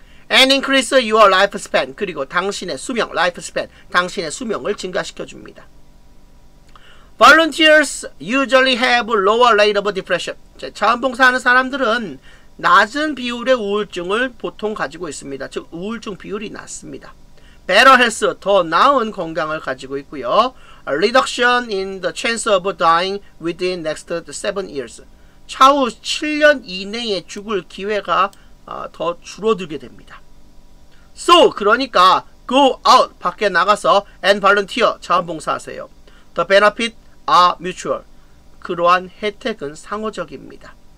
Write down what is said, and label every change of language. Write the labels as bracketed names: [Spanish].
[English] And increase your lifespan, [Korean] 그리고 당신의 수명, lifespan, 당신의 수명을 증가시켜줍니다. [English] Volunteers usually have lower rate of depression. [Korean] 자원봉사하는 사람들은 낮은 비율의 우울증을 보통 가지고 있습니다. 즉, 우울증 비율이 낮습니다. [English] Better health, [Korean] 더 나은 건강을 가지고 있고요. [English] A reduction in the chance of dying within next 7 years. [Korean] 차후 7년 이내에 죽을 기회가 더 줄어들게 됩니다. [English] So, [Korean] 그러니까 [English] go out, [Korean] 밖에 나가서 [English] and volunteer, [Korean] 자원봉사하세요. [English] The benefits are mutual. [Korean] 그러한 혜택은 상호적입니다.